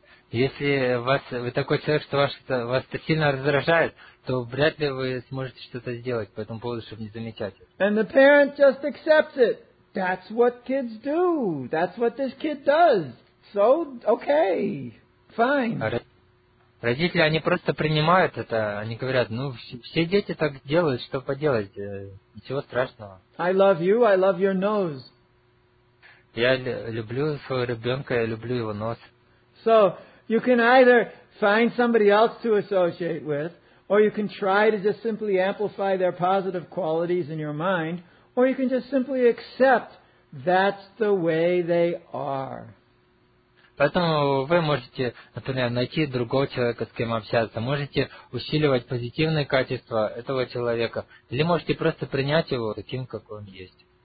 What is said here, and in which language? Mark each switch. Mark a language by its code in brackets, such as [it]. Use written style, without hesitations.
[ru] Если вас вы такой человек, что вас это сильно раздражает, то вряд ли вы сможете что-то сделать по этому поводу, чтобы не замечать. [en] And the parent just accepts it. That's what kids do. That's what this kid does. So, okay, fine. [ru] Родители, они просто принимают это. Они говорят, ну, все дети так делают, что поделать, ничего страшного. [en] I love you, I love your nose. [ru] Я люблю своего ребенка, я люблю его нос. [en] So, you can either find somebody else to associate with, or you can try to just simply amplify their positive qualities in your mind, or you can just simply accept that's the way they are. [ru] Поэтому вы можете, например, найти другого человека, с кем общаться, можете усиливать позитивные качества этого человека, или можете просто принять его таким, как он есть.